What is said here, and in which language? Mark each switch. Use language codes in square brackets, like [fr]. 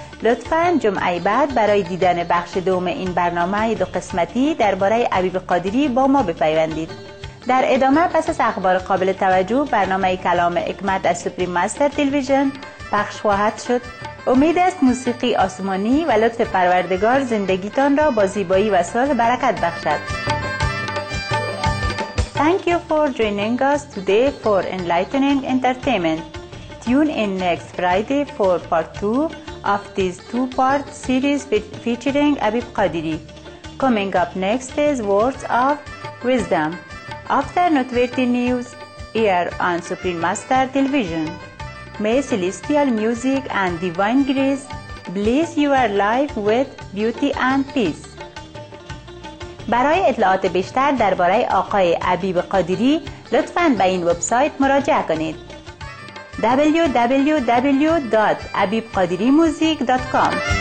[fa] لطفاً جمعه بعد برای دیدن بخش دوم این برنامه دو قسمتی درباره عبیب قادری با ما بپیوندید. در ادامه پس از اخبار قابل توجه برنامه کلام حکمت از سوپریم مستر تلویزیون پخش خواهد شد. امید است موسیقی آسمانی و لطف پروردگار زندگیتان را با زیبایی و صلح برکت بخشد. [en] Thank you for joining us today for enlightening entertainment. Tune in next Friday for part 2 of this two-part series featuring Abib Qadiri. Coming up next is Words of Wisdom. After noteworthy news, here on Supreme Master Television. May celestial music and divine grace bless your life with beauty and peace. [fa] برای اطلاعات بیشتر درباره آقای عبیب قادری لطفاً به این وبسایت مراجعه کنید www.abibqadirimusic.com.